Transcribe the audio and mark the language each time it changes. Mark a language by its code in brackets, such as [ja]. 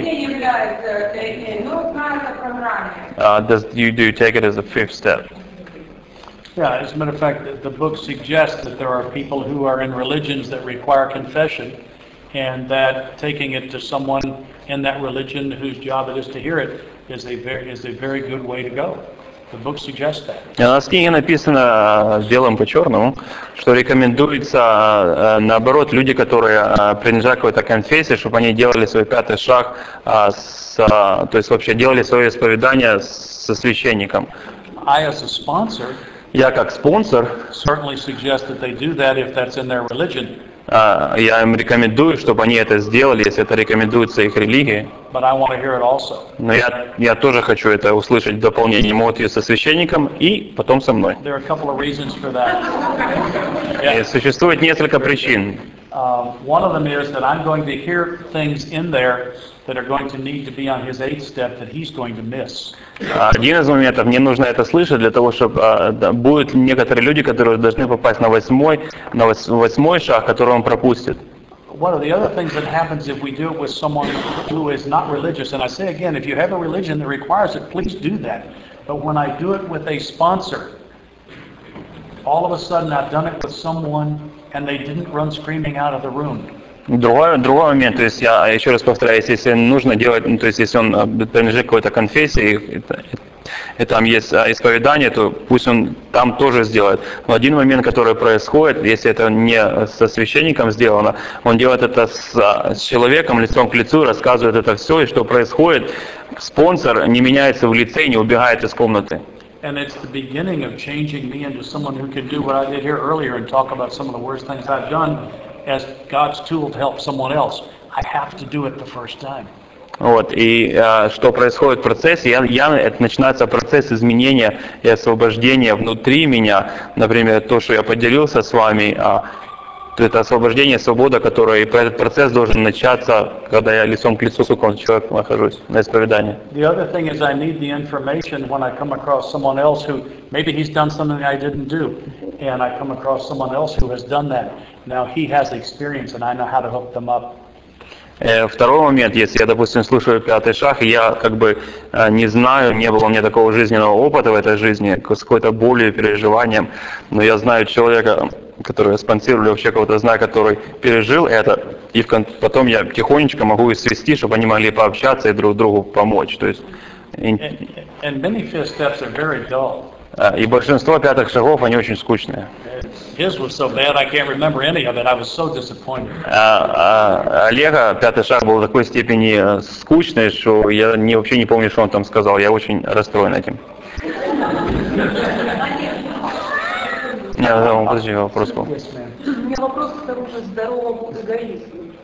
[en] Do you take it as a fifth step? Yeah, as a matter of fact, the book suggests that there are people who are in religions that require confession, and that taking it to someone in that religion whose job it is to hear it is a very good way to go. The book suggests that. [ru] У нас в книге написано белым по черному, что рекомендуется наоборот люди, которые принадлежат какой-то конфессии, чтобы они делали свой пятый шаг, то есть вообще делали свое исповедание со священником. [en] I as a sponsor. [ru] Я как спонсор. [en] Certainly suggest that they do that if that's in their religion. [ru] Я им рекомендую, чтобы они это сделали, если это рекомендуется их религии. [en] But I want to hear it also. [ru] Но я тоже хочу это услышать в дополнение. Могут ее со священником и потом со мной. [en] There are a couple of reasons for that. Yeah. [ru] Существует несколько причин. [en] One of them is that I'm going to hear things in there that are going to need to be on his eighth step that he's going to miss. [ru] Один из моментов, мне нужно это слышать для того, чтобы будут некоторые люди, которые должны попасть на восьмой шаг, который он пропустит. [en] One of the other things that happens if we do it with someone who is not religious, and I say again, if you have a religion that requires it, please do that. But when I do it with a sponsor, all of a sudden I've done it with someone and they didn't run screaming out of the room. [ru] Другой момент, то есть я еще раз повторяюсь, если нужно делать, то есть если он принадлежит какой-то конфессии, и там есть исповедание, то пусть он там тоже сделает. Но один момент, который происходит, если это не со священником сделано, он делает это с человеком лицом к лицу, рассказывает это все, и что происходит, спонсор не меняется в лице и не убегает из комнаты. [en] And it's the beginning of changing me into someone who can do what I did here earlier and talk about some of the worst things I've done as God's tool to help someone else. I have to do it the first time. [ru] Вот, и что происходит в процессе, это начинается процесс изменения и освобождения внутри меня. Например, то, что я поделился с вами, это освобождение, свобода, которая, и этот процесс должен начаться, когда я лицом к лицу с каким-то человеком нахожусь на исповедании. [en] The other thing is I need the information when I come across someone else who, maybe he's done something I didn't do, and I come across someone else who has done that. Now he has experience and I know how to hook them up. [ru] Второй момент, если я, допустим, слушаю пятый шаг, и я как бы не знаю, не было у меня такого жизненного опыта в этой жизни, с какой-то болью, переживанием, но я знаю человека, который я спонсирую, или вообще кого-то знаю, который пережил это, и потом я тихонечко могу их свести, чтобы они могли пообщаться и друг другу помочь. То есть [en] And many fifth steps are very dull. [ru] И большинство пятых шагов, они очень скучные. [en] His was so bad, I can't remember any of it. I was so disappointed. [ru] Олега пятый шаг был в такой степени скучный, что я вообще не помню, что он там сказал. Я очень расстроен этим. Нет, подожди, вопрос был. У меня вопрос к тому же здоровому эгоизму.